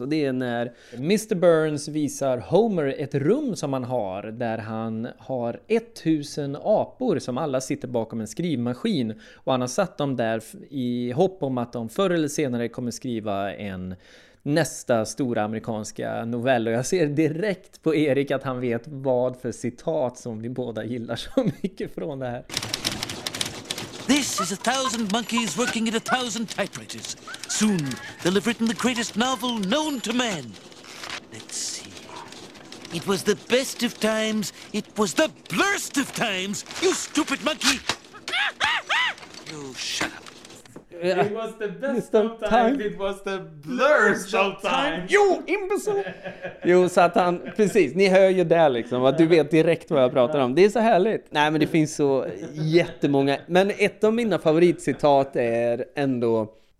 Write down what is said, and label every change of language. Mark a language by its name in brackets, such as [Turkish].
[Swedish] Och det är när Mr. Burns visar Homer ett rum som han har där han har 1000 apor som alla sitter bakom en skrivmaskin. Och han har satt dem där i hopp om att de förr eller senare kommer skriva en... nästa stora amerikanska novell. Och jag ser direkt på Erik att han vet vad för citat som vi båda gillar så mycket från det här. [English] This is 1000 monkeys working at 1000 typewriters. Soon they'll have written the greatest novel known to man. Let's see. It was the best of times. It was the blurst of times. You stupid monkey. You shut up. It was the best of time. It was the blurst of time. [Swedish] Jo, imbecil. Jo, så att han, precis, ni hör ju det liksom, att du vet direkt vad jag pratar om. Det är så härligt. Nej, men det finns så jättemånga. Men ett av mina favoritcitat är ändå...